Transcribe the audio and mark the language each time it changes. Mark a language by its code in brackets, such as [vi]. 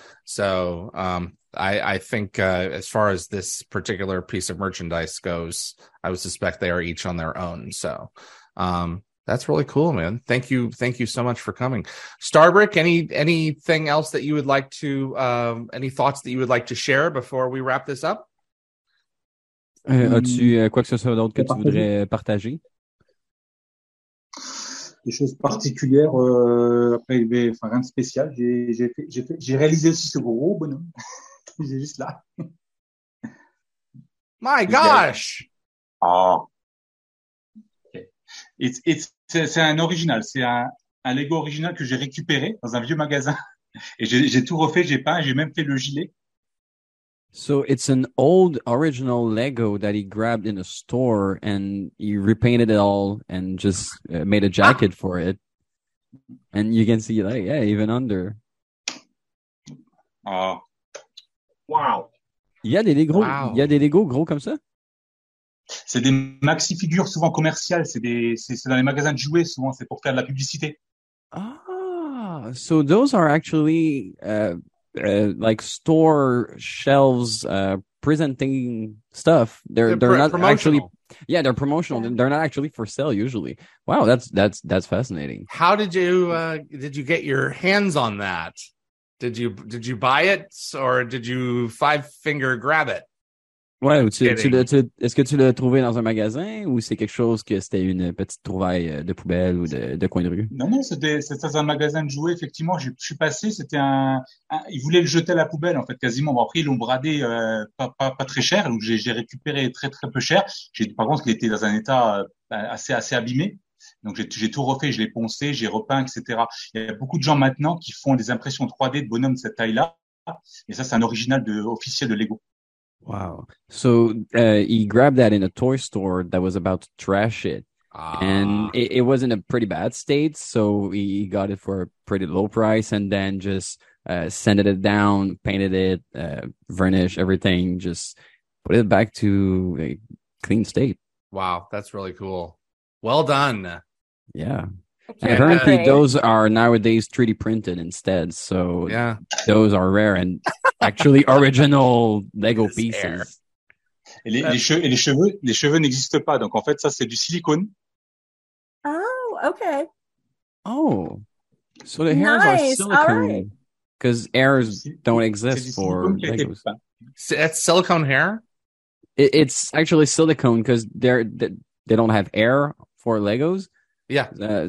[en] So I think as far as this particular piece of merchandise goes, I would suspect they are each on their own. So that's really cool, man. Thank you so much for coming. Starbrick, anything else that you would like to, any thoughts that you would like to share before we wrap this up? [fr] As-tu quoi que ce soit d'autre que tu voudrais partager? Des choses particulières, rien de spécial. J'ai réalisé aussi ce gros bonhomme. Il est juste là. [en] My gosh! Ah. [fr] C'est un original. C'est un Lego original que j'ai récupéré dans un vieux magasin. Et j'ai tout refait, j'ai peint, j'ai même fait le gilet. [en] So it's an old original Lego that he grabbed in a store and he repainted it all and just made a jacket for it. And you can see, like, yeah, even under. Oh. Wow. [fr] Il y a des Lego gros comme ça? C'est des maxi figures souvent commerciales. C'est dans les magasins de jouets souvent. C'est pour faire de la publicité. Ah. [en] So those are actually, like store shelves presenting stuff. They're not actually, yeah, they're promotional. They're not actually for sale usually. Wow, that's fascinating. How did you get your hands on that? Did you buy it or did you five finger grab it? [fr] Ouais, est-ce que tu l'as trouvé dans un magasin ou c'est quelque chose que c'était une petite trouvaille de poubelle ou de coin de rue? Non, c'était dans un magasin de jouets, effectivement. Je suis passé, c'était ils voulaient le jeter à la poubelle, en fait, quasiment. Après, ils l'ont bradé pas très cher, donc j'ai récupéré très, très peu cher. Par contre, il était dans un état assez, assez abîmé. Donc, j'ai tout refait, je l'ai poncé, j'ai repeint, etc. Il y a beaucoup de gens maintenant qui font des impressions 3D de bonhommes de cette taille-là. Et ça, c'est un original de, officiel de Lego. Wow. [en] So he grabbed that in a toy store that was about to trash it. And it was in a pretty bad state, so he got it for a pretty low price and then just sanded it down, painted it, varnish, everything, just put it back to a clean state. Wow, that's really cool. Well done. Yeah. Apparently, those are nowadays 3D printed instead, so yeah, those are rare and actually original Lego pieces. [fr] Et les cheveux n'existent pas, donc en fait, ça, c'est du silicone. [en] Okay. Oh, so the hairs nice. Are silicone because right. hairs don't exist for Legos. So that's silicone hair. It's actually silicone because they don't have air for Legos. Yeah.